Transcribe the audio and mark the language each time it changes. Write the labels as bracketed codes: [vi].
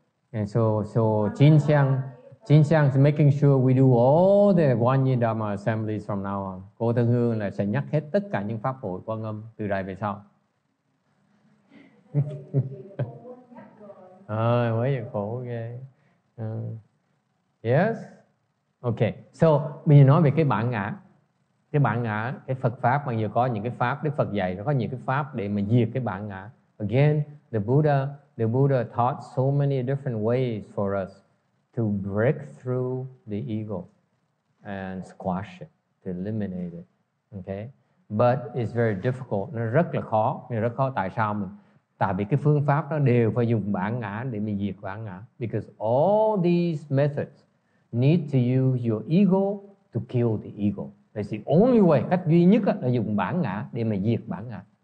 [en] And so, Jin Xiang is making sure we do all the one year Dharma assemblies from now on. [vi] Cô Thân Hương là sẽ nhắc hết tất cả những pháp hội Quan Âm từ đây về sau. Mới giờ khổ ghê. Yes? Okay. So, bây giờ nói về cái bản ngã. Cái bản ngã, cái Phật Pháp, mà giờ có những cái Pháp, Đức Phật dạy, nó có những cái Pháp để mà diệt cái bản ngã. [en] Again, the Buddha taught so many different ways for us to break through the ego and squash it, to eliminate it, okay? But it's very difficult. [vi] Nó rất là khó. Nó rất khó. Tại sao mình? Tại vì cái phương pháp đó đều phải dùng bản ngã để mình diệt bản ngã. [en] Because all these methods need to use your ego to kill the ego. That's the only way. [vi] Cách duy nhất là dùng bản ngã để mình diệt bản ngã.